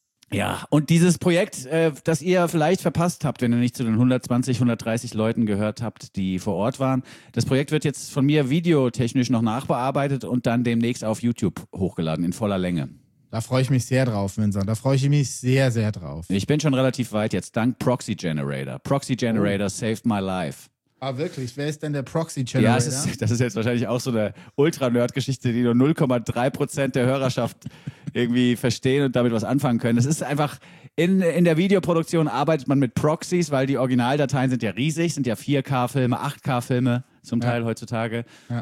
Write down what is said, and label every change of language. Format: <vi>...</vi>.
<de>Ja, und dieses Projekt, das ihr vielleicht verpasst habt, wenn ihr nicht zu den 120, 130 Leuten gehört habt, die vor Ort waren. Das Projekt wird jetzt von mir videotechnisch noch nachbearbeitet und dann demnächst auf YouTube hochgeladen, in voller Länge. Da freue ich mich sehr drauf, Vincent. Da freue ich mich sehr, sehr drauf. Ich bin schon relativ weit jetzt, dank Proxy Generator.</de> <en>Proxy Generator saved my life.</en> <de>Ah, wirklich? Wer ist denn der Proxy Generator? Ja, das ist jetzt wahrscheinlich auch so eine Ultra-Nerd-Geschichte, die nur 0,3% der Hörerschaft irgendwie verstehen und damit was anfangen können. Das ist einfach, in der Videoproduktion arbeitet man mit Proxys, weil die Originaldateien sind ja riesig, sind ja 4K-Filme, 8K-Filme zum Teil heutzutage. Ja.</de>